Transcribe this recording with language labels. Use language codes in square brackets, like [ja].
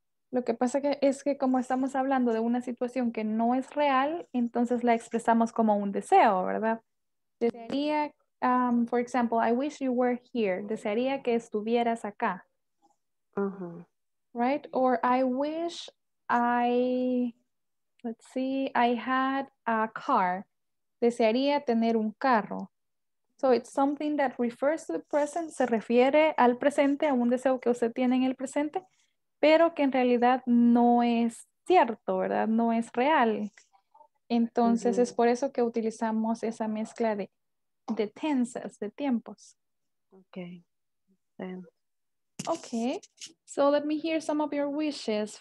[es] Lo que pasa es que como estamos hablando de una situación que no es real, entonces la expresamos como un deseo, ¿verdad? [en] Desearía, for example, I wish you were here. [es] Desearía que estuvieras acá. Uh-huh. [en] Right? Or I wish I had a car. [es] Desearía tener un carro. [en] So it's something that refers to the present. [es] Se refiere al presente, a un deseo que usted tiene en el presente, pero que en realidad no es cierto, ¿verdad? No es real. Entonces uh-huh. Es por eso que utilizamos esa mezcla de tenses, de tiempos. [en] Okay. Then. Okay. So let me hear some of your wishes.